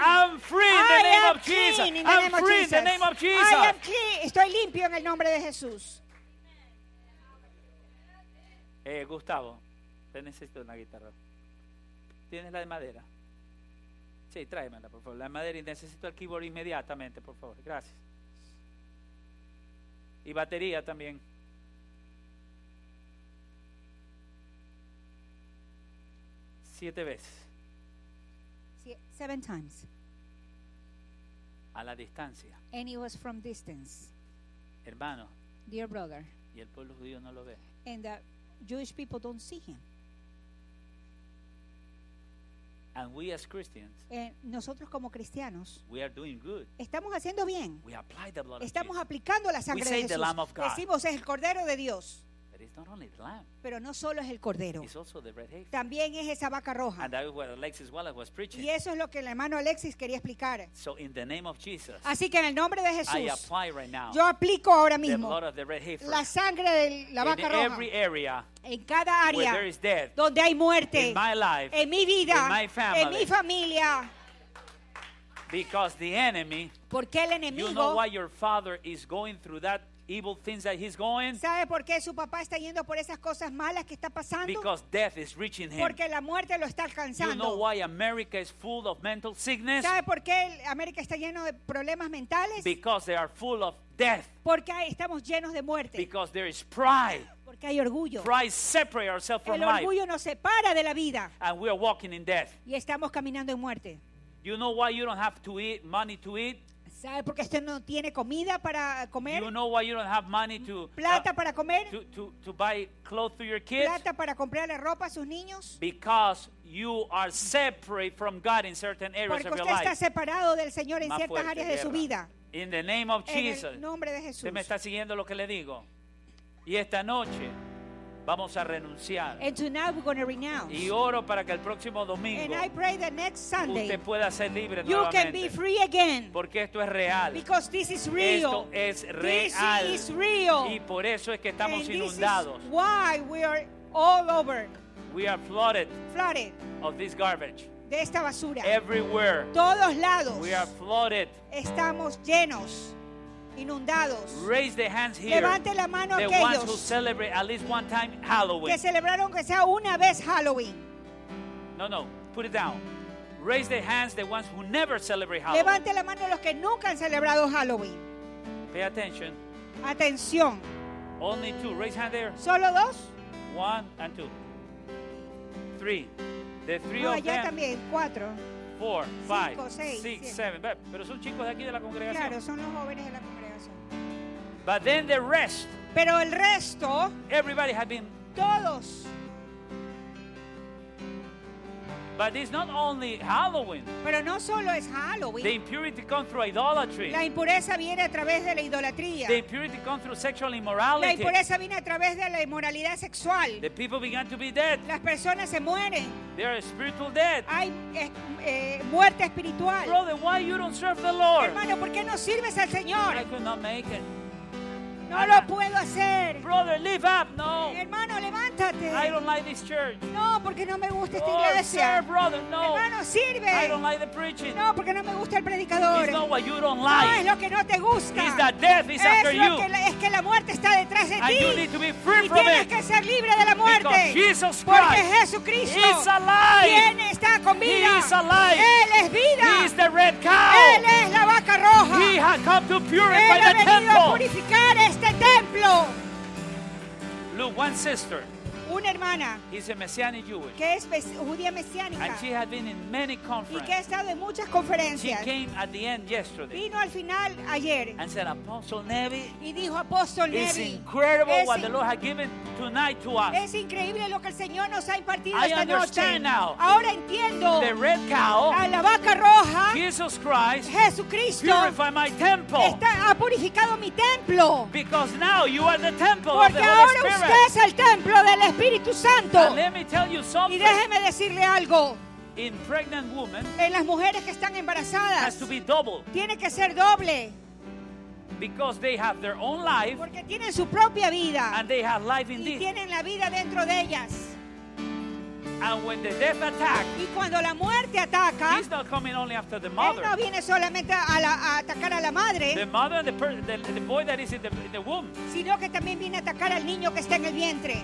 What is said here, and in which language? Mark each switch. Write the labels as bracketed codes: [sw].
[en] I'm free in the name of Jesus. I'm free in the name of Jesus. I am clean. [es] Estoy limpio en el nombre de Jesús. Gustavo, te necesito una guitarra. ¿Tienes la de madera? Sí, tráemela, por favor. La de madera, y necesito el keyboard inmediatamente, por favor. Gracias. Y batería también. Siete veces. [en] 7 times. [es] A la distancia. [en] And it was from distance. [es] Hermano. [en] Dear brother. [es] Y el pueblo judío no lo ve. [en] And the Jewish people don't see him. And we as Christians. [es] Nosotros como cristianos. [en] We are doing good. [es] Estamos haciendo bien. [en] We apply the blood. [es] Estamos aplicando la sangre de Jesús. [en] We say the Lamb of God. [es] Decimos es el Cordero de Dios. [en] It's not only the lamb. [es] Pero no solo es el cordero. [en] It's also the red heifer. [es] También es esa vaca roja. [en] And that is what Alexis Wallace was preaching. [es] Y eso es lo que el hermano Alexis quería explicar. [en] So in the name of Jesus, [es] así que en el nombre de Jesús, [en] I apply right now, [es] yo aplico ahora mismo [en] the blood of the red heifer, [es] la sangre de la vaca [en] in [es] roja [en] every area, [es] en cada área [en] where there is death, [es] donde hay muerte [en] in my life, [es] en mi vida [en] in my family, [es] en mi familia. [en] Because the enemy, [es] porque el enemigo, [en] you know why your father is going through that evil things that he's going. [es] ¿Sabe por qué su papá está yendo por esas cosas malas que está pasando? [en] Because death is reaching him. [es] Porque la muerte lo está alcanzando. [en] You know why America is full of mental sickness? [es] ¿Sabe por qué América está lleno de problemas mentales? [en] Because they are full of death. [es] Porque estamos llenos de muerte. [en] Because there is pride. [es] Porque hay orgullo. [en] Pride separates ourselves from life. [es] El orgullo [en] life. [es] Nos separa de la vida. [en] And we are walking in death. [es] Y estamos caminando en muerte. [en] You know why you don't have to eat money to eat? [es] ¿Sabe por qué usted no tiene comida para comer? [en] You know why you don't have money to, [es] plata para comer? [en] To buy clothes to your kids? [es] Plata para comprarle ropa a sus niños? [en] Because you are separate from God in certain areas [es] porque [en] of your life. [es] Porque usted está separado del Señor en ciertas áreas guerra. De su vida. [en] In the name of Jesus. [es] En el nombre de Jesús. ¿Usted me está siguiendo lo que le digo? Y esta noche vamos a renunciar. [en] And tonight we're going to renounce. [es] Y oro para que el próximo domingo. [en] And I pray that next Sunday. [es] Usted pueda ser libre [en] you [es] nuevamente. [en] You can be free again. [es] Porque esto es real. [en] Because this is real. [es] Esto es real. [en] This is real. [es] Y por eso es que estamos inundados. [en] And this is why we are all over. We are flooded. Flooded. Of this garbage. [es] De esta basura. [en] Everywhere. [es] Todos lados. [en] We are flooded. [es] Estamos llenos. Inundados. [en] Raise the hands here. [es] Levante la mano [en] the [es] aquellos [en] ones who celebrate at least one time Halloween. [es] Que celebraron que sea una vez Halloween. [en] No, put it down. Raise the hands the ones who never celebrate Halloween. [es] Levante la mano los que nunca han celebrado Halloween. [en] Pay attention. [es] Atención. [en] Only two. Raise hand there. [es] Solo dos. [en] One and two. Three. The three [es] no, [en] of them. [es] Allá también cuatro. [en] four, five, six, seven. [es] Pero son chicos de aquí de la congregación. Claro, son los jóvenes de la congregación. [en] But then the rest. [es] Pero el resto. [en] Everybody has been. [es] Todos. [en] But it's not only Halloween. [es] Pero no solo es Halloween. [en] The impurity comes through idolatry. [es] La impureza viene a través de la idolatría. [en] The impurity comes through sexual immorality. [es] La impureza viene a través de la inmoralidad sexual. [en] The people began to be dead. [es] Las personas se mueren. [en] They are spiritual dead. [es] Hay muerte espiritual. [en] Brother, why you don't serve the Lord? [es] Hermano, ¿por qué no sirves al Señor? [en] I could not make it. [es] No lo puedo hacer. [en] Brother, live up. No. [es] Hermano, levántate. [en] I don't like this church. [es] No, porque no me gusta esta iglesia. [en] Lord, serve, brother. No. [es] Hermano, sirve. [en] I don't like the preaching. [es] No, porque no me gusta el predicador. [en] It's not what you don't like. [es] No, es lo que no te gusta. [en] It's that death is after you. [es] Es que la muerte está detrás de ti. [en] And you need to be free from it. [es] Y tienes que ser libre de la muerte. [en] Jesus Christ, [es] porque Jesucristo [en] is alive. [es] Viene, está con vida. [en] He is alive. [es] Él es vida. [en] He is the red cow. [es] Él es la vaca roja. [en] He has come to purify the temple. [es] Él ha venido a purificar este templo. [en] Look, one sister, [es] una hermana, [en] is a messianic Jewish, [es] que es judía mesiánica, [en] and she had been in many conferences, [es] y que ha estado en muchas conferencias. [en] She came at the end yesterday, [es] vino al final ayer, [en] and said, Apostle Nevi, [es] y dijo, Apostle Nevi, [en] it's incredible what the Lord has given tonight to us. [es] Es increíble lo que el Señor nos ha impartido [en] I [es] esta [en] understand [es] noche. [en] Now, [es] ahora entiendo, [en] the red cow, [es] a la vaca roja, [en] Jesus Christ, [es] Jesucristo, [en] purify my temple, [es] está, ha purificado mi templo, [en] because now you are the temple, [es] porque [en] of the [es] ahora [en] Holy [es] usted es el templo del Espíritu. Espíritu Santo. [en] And let me tell you something. [es] Y déjeme decirle algo. [en] In pregnant women, [es] en las mujeres que están embarazadas, [en] has to be double. [es] Tiene que ser doble. [en] Because they have their own life, [es] porque tienen su propia vida. [en] And they have life in [es] y tienen la vida dentro de ellas. [en] And when the death attack, [es] y cuando la muerte ataca, [en] he's not coming only after the mother. [es] Él no viene solamente a atacar a la madre, [en] the mother and the boy that is in the womb, [es] sino que también viene a atacar al niño que está en el vientre.